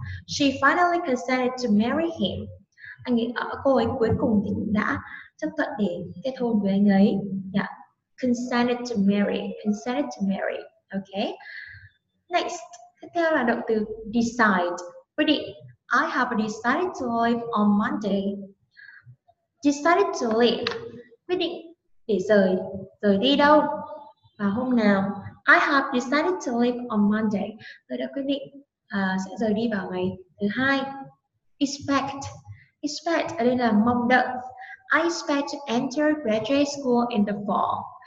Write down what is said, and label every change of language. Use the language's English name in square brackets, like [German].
[English] She finally consented to marry him. [Vietnamese] Anh ấy, cô ấy cuối cùng thì đã chấp thuận để kết hôn với anh ấy. Yeah. [English] Consented to marry. Okay. [Vietnamese] Next, tiếp theo là động từ decide, quyết định. [English] I have decided to leave on Monday. Decided to leave. [Vietnamese] Quyết định để rời. Rời đi đâu? Và hôm nào? [English] I have decided to leave on Monday. [Vietnamese] Tôi đã quyết định sẽ rời đi vào ngày thứ hai. Expect. Expect ở đây là mong đợi. [English] I expect to enter graduate school in the fall.